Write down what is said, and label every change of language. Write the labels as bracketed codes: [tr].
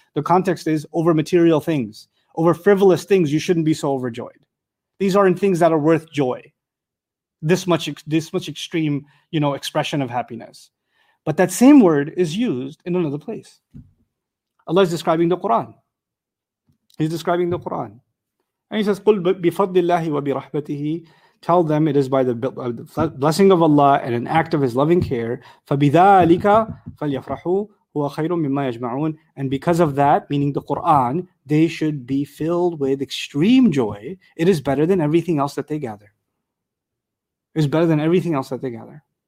[en] The context is over material things, over frivolous things, you shouldn't be so overjoyed. These aren't things that are worth joy. This much extreme, you know, expression of happiness. But that same word is used in another place. Allah is describing the Quran. He's describing the Quran. And he says, [ar] قُلْ بِفَضْلِ اللَّهِ وَبِرَحْمَتِهِ. [en] Tell them it is by the blessing of Allah and an act of His loving care. [ar] فَبِذَٰلِكَ فَلْيَفْرَحُوا هُوَ خَيْرٌ مِمَّا يَجْمَعُونَ. [en] And because of that, meaning the Qur'an, they should be filled with extreme joy. It is better than everything else that they gather. It is better than everything else that they gather.